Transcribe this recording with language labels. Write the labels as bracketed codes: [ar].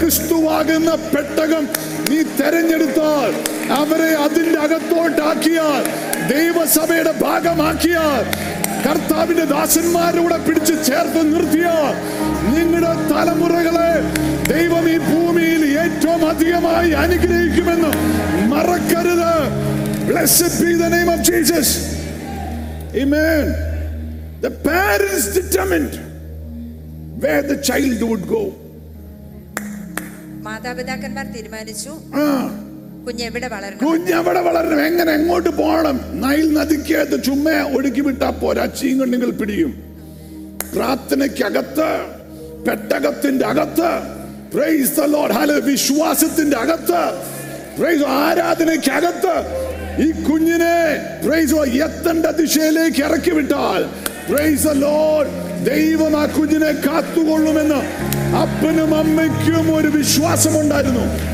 [ml] ക്രിസ്തു ആകുന്ന പെട്ടകം നീ തെരഞ്ഞെടുത്താൽ, അവരെ അതിന്റെ അകത്തോട്ടാക്കിയാൽ, ദൈവസഭയുടെ ഭാഗമാക്കിയാൽ, കർത്താവിന്റെ ദാസന്മാരോട് പിടിച്ച് ചേർത്ത് നിർത്തിയ നിങ്ങളുടെ തലമുറകളെ ദൈവം ഈ ഭൂമിയിൽ ഏറ്റവും അധികമായി അനുഗ്രഹിക്കുമെന്ന് മറക്കരുത്. [en] Blessed be the name of Jesus. Amen. The parents determined where the child would go. [ml] മാതാപിതാക്കന്മാർ തീരുമാനിച്ചു കുഞ്ഞെവിടെ വളരണം, എങ്ങനെ എങ്ങോട്ട് പോകണം. നൈൽ നദിക്കകത്ത് ചുമ്മ ഒഴുക്കി വിട്ടാ പോരാ, ചീങ്ങ ഉണ്ടെങ്കിൽ പിടിയും. പ്രാർത്ഥനയ്ക്കകത്ത്, പെട്ടകത്തിന്റെ അകത്ത്, [en] praise the lord, [ml] ഹല്ലേലൂയ, വിശ്വാസത്തിന്റെ അകത്ത്, പ്രൈസ്, ആരാധനയ്ക്കകത്ത് ഈ കുഞ്ഞിനെ പ്രൈസ് എത്തേണ്ട ദിശയിലേക്ക് ഇറക്കി വിട്ടാൽ പ്രൈസ് ദി ലോർഡ് ദൈവം ആ കുഞ്ഞിനെ കാത്തുകൊള്ളുമെന്ന് അപ്പനും അമ്മയ്ക്കും ഒരു വിശ്വാസമുണ്ടായിരുന്നു.